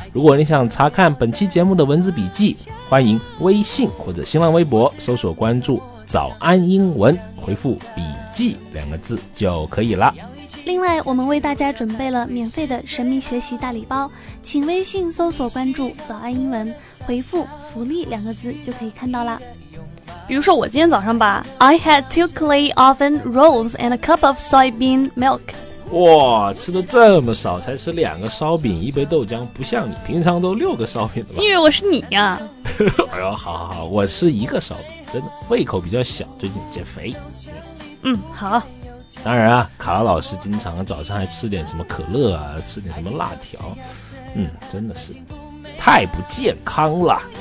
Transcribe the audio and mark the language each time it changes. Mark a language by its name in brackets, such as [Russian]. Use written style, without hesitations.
[Chinese] 如果你想查看本期节目的文字笔记，欢迎微信或者新浪微博搜索关注早安英文，回复笔记两个字就可以了。另外，我们为大家准备了免费的神秘学习大礼包，请微信搜索关注早安英文，回复福利两个字就可以看到了。比如说我今天早上吧， [English] I had 2 clay oven rolls and a cup of soybean milk。 [Chinese] 哇，吃的这么少，才吃两个烧饼一杯豆浆，不像你平常都六个烧饼的吧？因为我是你呀、啊、哎呦，好好好，我吃一个烧饼，真的胃口比较小，最近减肥。嗯，好。当然啊，卡拉老师经常早上还吃点什么可乐啊，吃点什么辣条，嗯，真的是太不健康了。